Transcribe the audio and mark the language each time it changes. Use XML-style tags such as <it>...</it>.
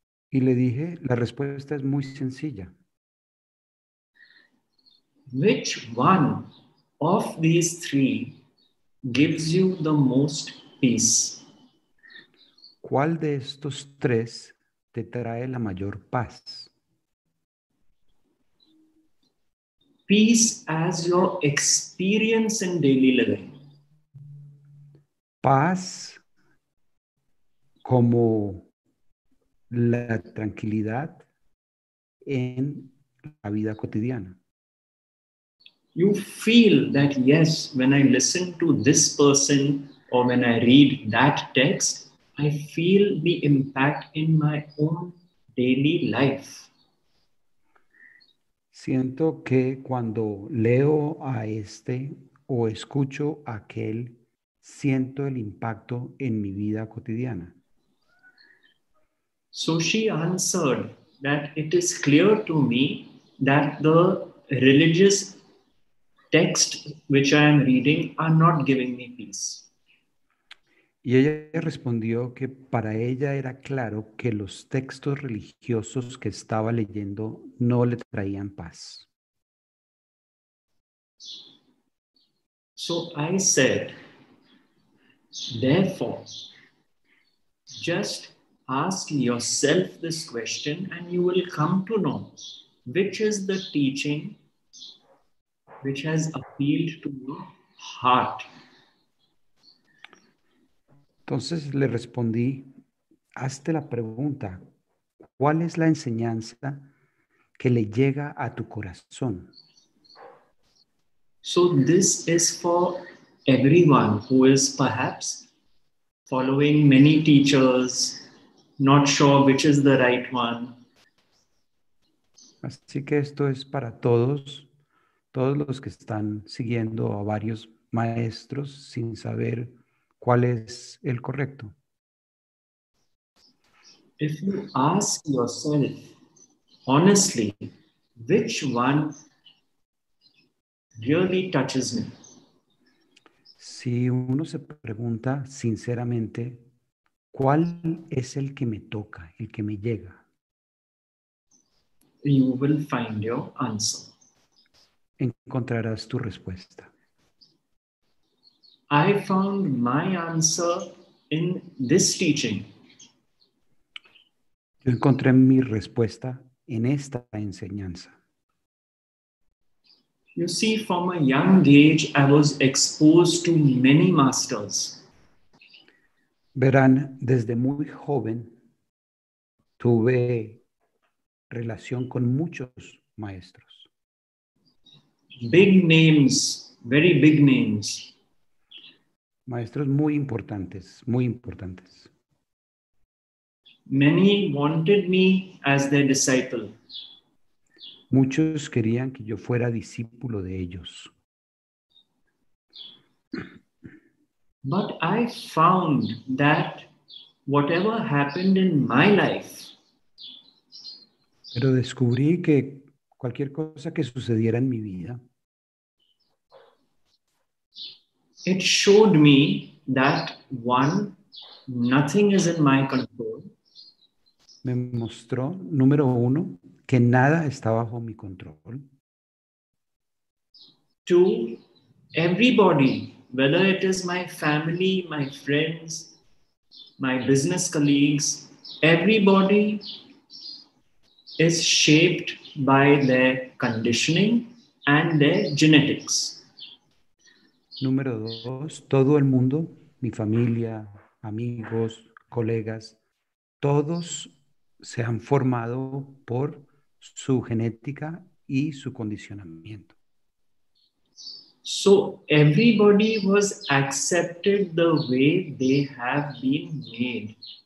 <es>Y le dije, la respuesta es muy sencilla.</es> <en>Which one of these three gives you the most peace?</en> <es>¿Cuál de estos tres te trae la mayor paz?</es> <en>Peace as your experience in daily living.</en> <es>Paz como la tranquilidad en la vida cotidiana.</es> <en>You feel that, yes, when I listen to this person or when I read that text, I feel the impact in my own daily life.</en> <es>Siento que cuando leo a este o escucho a aquel, siento el impacto en mi vida cotidiana.</es> <en>So she answered that it is clear to me that the religious text which I am reading are not giving me peace.</en> <es>Y ella respondió que para ella era claro que los textos religiosos que estaba leyendo no le traían paz.</es> <en>So I said, therefore, just ask yourself this question and you will come to know which is the teaching which has appealed to your heart.</en> <es>Entonces le respondí, hazte la pregunta, ¿cuál es la enseñanza que le llega a tu corazón?</es> <en>So this is for everyone who is perhaps following many teachers, not sure which is the right one.</en> <es>Así que esto es para todos. Todos los que están siguiendo a varios maestros sin saber ¿Cuál es el correcto?</es> <en>If you ask yourself honestly, which one really touches me?</en> <es>Si uno se pregunta sinceramente, ¿cuál es el que me toca, el que me llega?</es> <en>You will find your answer.</en> <es>Encontrarás tu respuesta.</es> <en>I found my answer in this teaching.</en> <es>Yo encontré mi respuesta en esta enseñanza.</es> <en>You see, from a young age, I was exposed to many masters.</en> <es>Verán, desde muy joven tuve relación con muchos maestros.</es> <en>Big names, very big names.</en> <es>Maestros muy importantes, muy importantes.</es> <en>Many wanted me as their disciple.</en> <es>Muchos querían que yo fuera discípulo de ellos.</es> <en>But I found that whatever happened in my life.</en> <es>Pero descubrí que cualquier cosa que sucediera en mi vida.</es> <en>It showed me that one, nothing is in my control.</en> <es>Me mostró, número uno, que nada está bajo mi control.</es> <en>Two, everybody, whether it is my family, my friends, my business colleagues, everybody is shaped by their conditioning and their genetics.</en> <es>Número dos, todo el mundo, mi familia, amigos, colegas, todos se han formado por su genética y su condicionamiento.</es> <en>So everybody was accepted the way they have been made.</en>